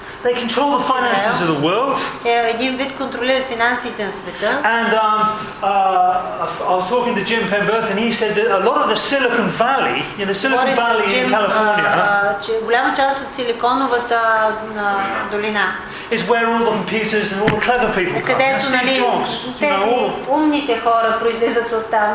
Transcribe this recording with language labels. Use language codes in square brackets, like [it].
[en] They control the finances of the world. [bg] Един вид контролират финансите на света. [en] And I was talking to Jim Penberth and he said that a lot of the Silicon Valley, in the Silicon Valley in California, [bg] че голяма част от силиконовата долина [en] is where all the computers and all the clever people come. [bg] Където, нали, тези умните хора произлизат от там.